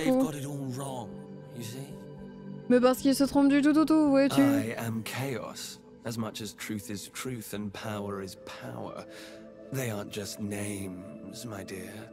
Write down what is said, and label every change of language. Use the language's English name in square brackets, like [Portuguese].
[English] Because they've got it all wrong, you see? [French] Mais parce qu'ils se trompent du tout tout tout, vois-tu? [English] I am chaos. As much as truth is truth and power is power. They aren't just names, my dear.